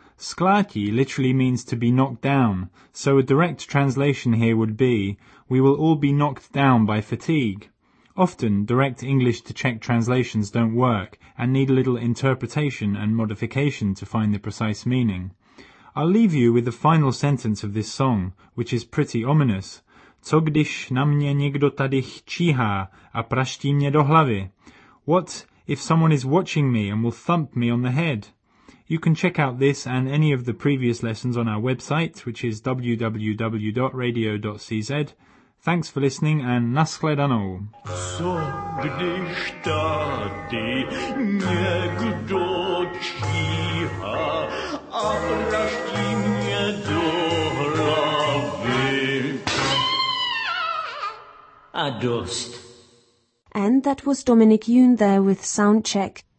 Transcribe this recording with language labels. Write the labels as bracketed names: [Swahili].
[English] Sklátí literally means to be knocked down, so a direct translation here would be We will all be knocked down by fatigue. Often, direct English to Czech translations don't work and need a little interpretation and modification to find the precise meaning. I'll leave you with the final sentence of this song, which is pretty ominous. [Czech] Co když na mě někdo tady číhá a praští mě do hlavy? [English] What if someone is watching me and will thump me on the head? You can check out this and any of the previous lessons on our website, which is www.radio.cz. Thanks for listening and nashledanou. [Czech] Co když tady někdo číhá a praští mě do hlavy? A dost. [English] And that was Dominic Yoon there with Soundcheck.